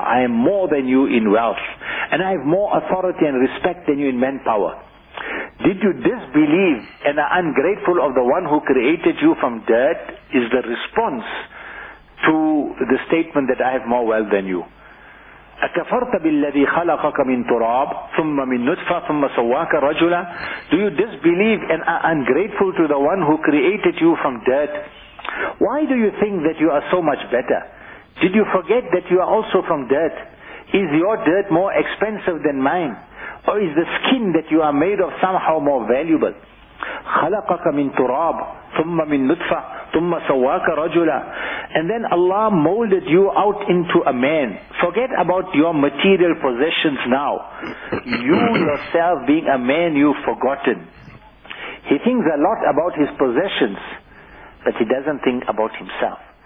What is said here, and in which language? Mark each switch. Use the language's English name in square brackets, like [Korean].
[English] I am more than you in wealth, and I have more authority and respect than you in manpower. Did you disbelieve and are ungrateful of the one who created you from dirt? Is the response to the statement that I have more wealth than you. [Arabic] أكفرت بالذي خلقك من تراب ثم من نطفة ثم سواك رجلا. [English] Do you disbelieve and are ungrateful to the one who created you from dirt? Why do you think that you are so much better? Did you forget that you are also from dirt? Is your dirt more expensive than mine? Or is the skin that you are made of somehow more valuable? [Arabic] خلقك من تراب ثم من نطفة ثم سواك رجلا. [English] And then Allah molded you out into a man. Forget about your material possessions now. You yourself being a man, you've forgotten. He thinks a lot about his possessions, but he doesn't think about himself.